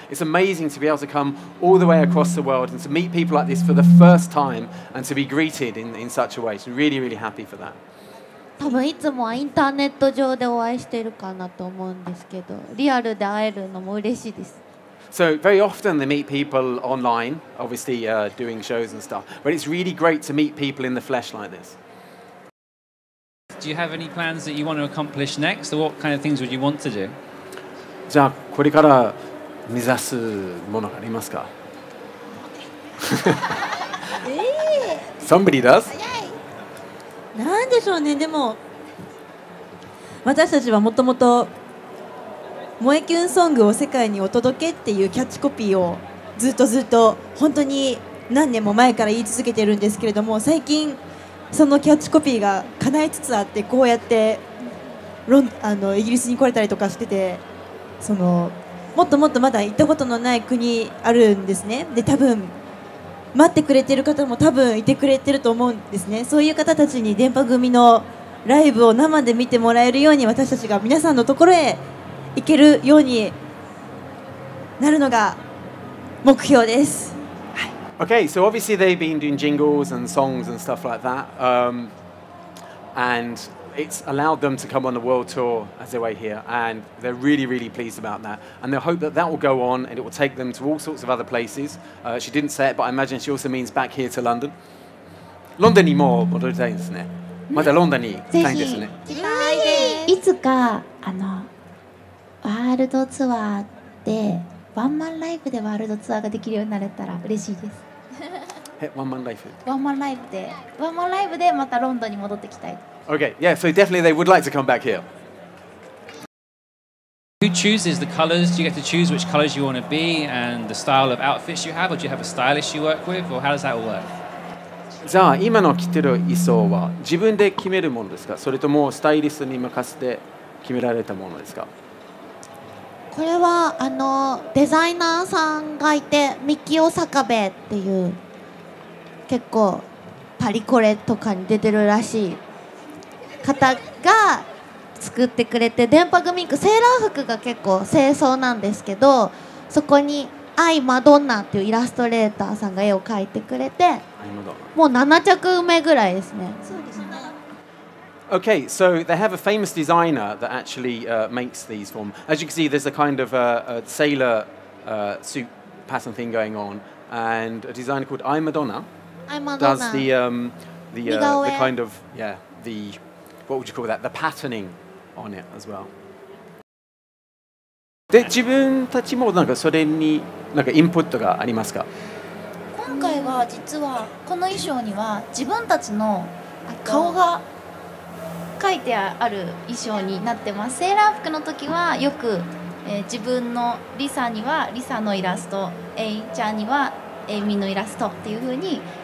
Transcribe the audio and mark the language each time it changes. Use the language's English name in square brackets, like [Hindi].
[English] It's amazing to be able to come all the way across the world and to meet people like this for the first time and to be greeted in such a way. So really, really happy for that. [Japanese] 多分いつもはインターネット上でお会いしてるかなと思うんですけど、リアルで会えるのも嬉しいです。 [English] So very often they meet people online, obviously doing shows and stuff. But it's really great to meet people in the flesh like this. Do you have any plans that you want to accomplish next, or what kind of things would you want to do? [Japanese] じゃあこれから目指すものありますか? [English] Somebody does. [Japanese] なんでしょうね。でも私たちはもともと萌えキュンソングを世界にお届けっていうキャッチコピーをずっとずっと本当に何年も前から言い続けてるんですけれども、最近そのキャッチコピーが叶いつつあって、こうやってあのイギリスに来れたりとかしてて、そのもっともっとまだ行ったことのない国あるんですね。で、多分待ってくれてる方も多分いてくれてると思うんですね。そういう方たちに電波組のライブを生で見てもらえるように、私たちが皆さんのところへ行けるようになるのが目標です。 [English] Okay, so obviously they've been doing jingles and songs and stuff like that. And it's allowed them to come on the world tour as they were here. And they're really, really pleased about that. And they hope that that will go on and it will take them to all sorts of other places. She didn't say it, but I imagine she also means back here to London. [Japanese] London にも戻りたいですね。まだロンドンに行きたいですね。ぜひ、ぜひ。いつか、あの、ワールドツアーで、ワンマンライブでワールドツアーができるようになれたら嬉しいです。ワンマンライブ。ワンマンライブで、ワンマンライブでまたロンドンに戻ってきたい。 [English] Okay, yeah, so definitely they would like to come back here. Who chooses the colors? Do you get to choose which colors you want to be and the style of outfits you have, or do you have a stylist you work with, or how does that work? [Japanese] じゃあ今の着てる衣装は自分で決めるものですか、それともスタイリストに任せて決められたものですか？これはあのデザイナーさんがいて、ミキオサカベっていう結構パリコレとかに出てるらしい方が作ってくれて、電波組インクセーラー服が結構清掃なんですけど、そこにアイ・マドンナっていうイラストレーターさんが絵を描いてくれて、もう7着目ぐらいですね。 [English] Okay, so they have a famous designer that actually makes these for them. As you can see, there's a kind of a sailor suit pattern thing going on, and a designer called I Madonna, does the kind of, yeah, the, what would you call that, the patterning on it as well. [Japanese] で、自分たちもなんかそれになんかインプットがありますか？今回は実はこの衣装には自分たちの顔が書いてある衣装になってます。セーラー服の時はよく、自分のリサにはリサのイラスト、エイちゃんにはエイミのイラストっていう風に